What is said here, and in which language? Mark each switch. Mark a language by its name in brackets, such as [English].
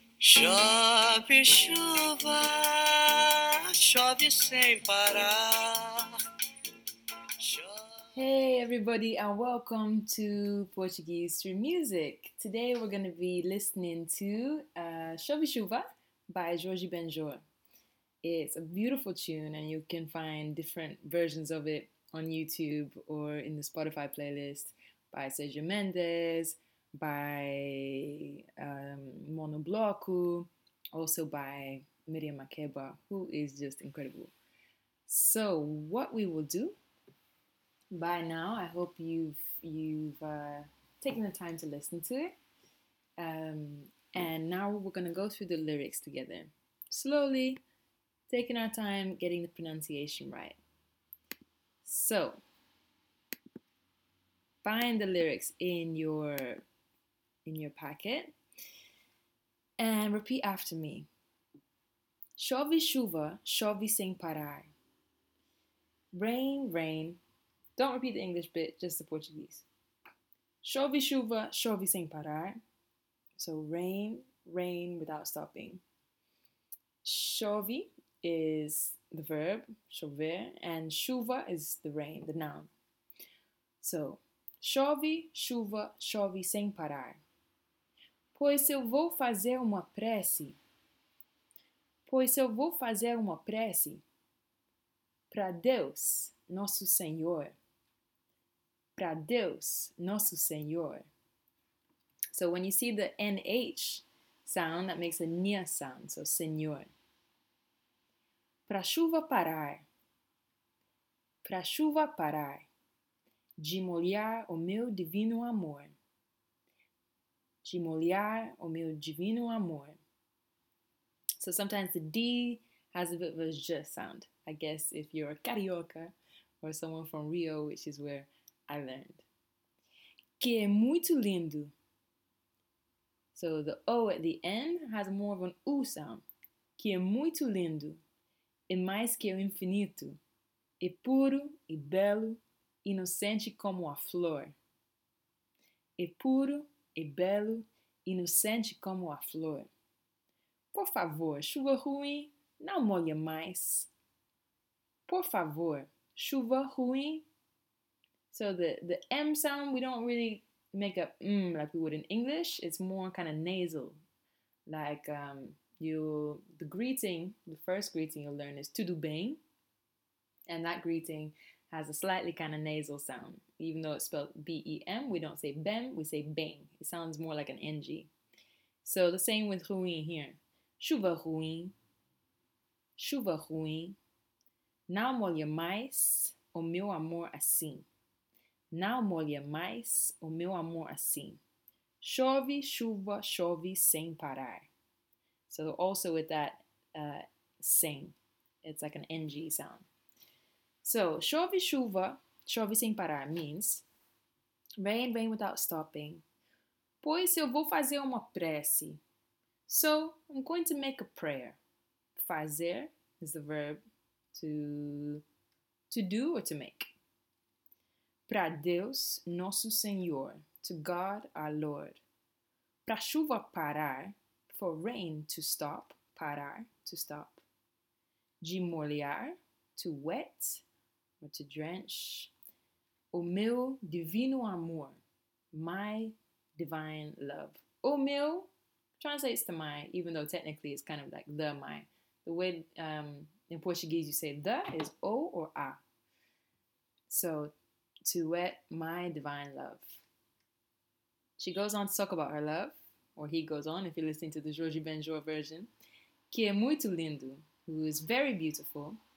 [Portuguese] Chove chuva, chove sem parar. [English] Hey everybody and welcome to Portuguese Through Music. Today we're going to be listening to Chove Chuva by Jorge Benjor. It's a beautiful tune and you can find different versions of it on YouTube or in the Spotify playlist by Sergio Mendes, by Mono Bloco, also by Miriam Makeba, who is just incredible. So what we will do by now, I hope you've taken the time to listen to it. And now we're going to go through the lyrics together, slowly, taking our time, getting the pronunciation right. So, find the lyrics in your packet and repeat after me. Chove chuva, chove sem parar. Rain, rain. Don't repeat the English bit, just the Portuguese. Chove chuva, chove sem parar. So rain, rain without stopping. Chove is the verb, chover, and chuva is the rain, the noun. [Portuguese] So, chove chuva, chove sem parar. Pois eu vou fazer uma prece. Pois eu vou fazer uma prece para Deus, nosso Senhor. Para Deus, nosso Senhor. [English] So when you see the NH sound, that makes a NH sound, so Senhor. [Portuguese] Para chuva parar. Para chuva parar. De molhar o meu divino amor. De molhar o meu divino amor. [English] So sometimes the D has a bit of a J sound. I guess if you're a carioca or someone from Rio, which is where I learned. [Portuguese] Que é muito lindo. [English] So the O at the end has more of an U sound. [Portuguese] Que é muito lindo. E mais que o infinito. E puro, e belo, inocente como a flor. E puro, e belo, inocente como a flor. Por favor, chuva ruim, não molha mais. Por favor, chuva ruim. [English] So the M sound, we don't really make a M like we would in English. It's more kind of nasal. Like the first greeting you'll learn is [Portuguese] tudo bem. [English] And that greeting has a slightly kind of nasal sound. Even though it's spelled B-E-M, we don't say bem, we say bem. It sounds more like an N-G. So the same with ruim here. [Portuguese] Chuva ruim. Chuva ruim. Não molha mais o meu amor assim. Não molha mais o meu amor assim. Chove, chuva, chove sem parar. [English] So also with that sem. It's like an NG sound. So [Portuguese] chove, chuva, chove sem parar [English] means rain, rain without stopping. [Portuguese] Pois eu vou fazer uma prece. [English] So I'm going to make a prayer. Fazer is the verb to do or to make. [Portuguese] Para Deus, nosso Senhor, [English] to God, our Lord. [Portuguese] Para chuva parar, [English] for rain to stop, parar, to stop. [Portuguese] De molhar, [English] to wet, or to drench. [Portuguese] O meu divino amor, [English] my divine love. [Portuguese] O meu [English] translates to my, even though technically it's kind of like the, my. The way in Portuguese you say the is o or a. So, to wet my divine love. She goes on to talk about her love, or he goes on if you're listening to the Jorge Benjor version. [Portuguese] Que é muito lindo, [English] who is very beautiful.